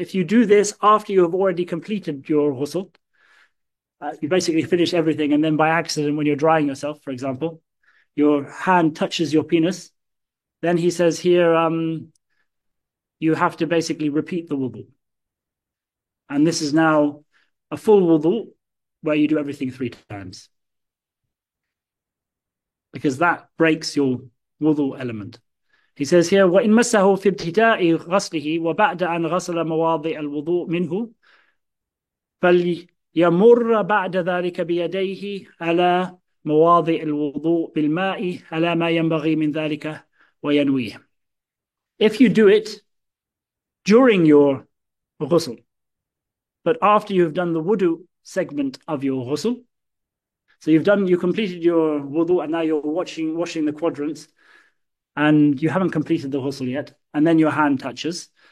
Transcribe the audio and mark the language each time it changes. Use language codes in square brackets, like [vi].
[en] If you do this after you have already completed your ghusl, you basically finish everything, and then by accident, when you're drying yourself, for example, your hand touches your penis. Then he says here, you have to basically repeat the wudu. And this is now a full wudu where you do everything three times. Because that breaks your wudu element. [ar] He says here, وَإِن مَسَّهُ فِي ابْتِدَاءِ غَسْلِهِ وَبَعْدَ أَنْ غَسَلَ مَوَاضِعَ الْوُضُوءِ مِنْهُ فَلْ يمر بعد ذلك بيديه على مواضع الوضوء بالماء على ما ينبغي من ذلك وينويه. [en] If you do it during your ghusl, but after you've done the wudu segment of your ghusl, so you completed your wudu and now you're washing the quadrants and you haven't completed the ghusl yet, and then your hand touches.